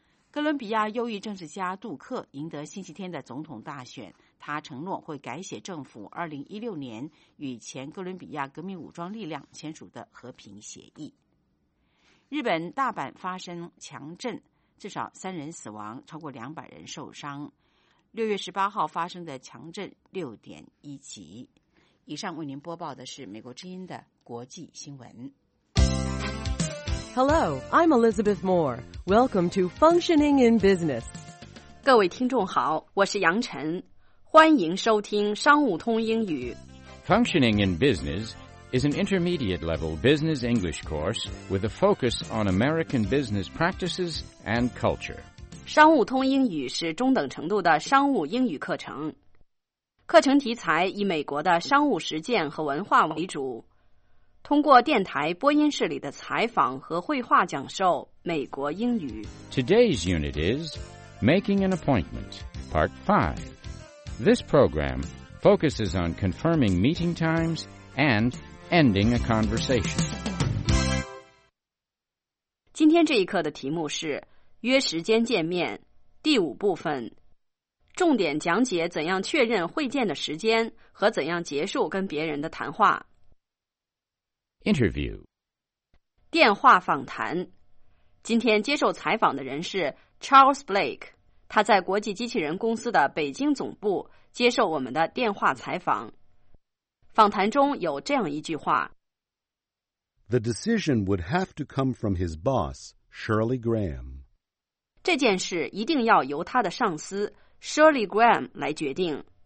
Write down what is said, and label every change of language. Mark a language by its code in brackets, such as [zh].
[zh] 哥伦比亚右翼政治家杜克赢得星期天的总统大选，他承诺会改写政府2016年与前哥伦比亚革命武装力量签署的和平协议。日本大阪发生强震，至少3人死亡，超过200人受伤。 6月18号发生的强震6.1级。以上为您播报的是美国之音的国际新闻。 [en] Hello, I'm Elizabeth Moore. Welcome to Functioning in Business. [zh] 各位听众好，我是杨晨，欢迎收听商务通英语。 [en] Functioning in Business is an intermediate level business English course with a focus on American business practices and culture. [zh] 商务通英语是中等程度的商务英语课程。课程题材以美国的商务实践和文化为主，通过电台播音室里的采访和绘画讲授美国英语。 [en] Today's unit is Making an Appointment, Part 5. This program focuses on confirming meeting times and ending a conversation. [zh] 今天这一课的题目是约时间见面，第五部分。重点讲解怎样确认会见的时间和怎样结束跟别人的谈话。 [en] Interview. [zh] 电话访谈。今天接受采访的人是 Charles Blake, 他在国际机器人公司的北京总部接受我们的电话采访。访谈中有这样一句话。 [en] The decision would have to come from his boss, Shirley Graham. [zh] 这件事一定要由他的上司Shirley Graham 来决定。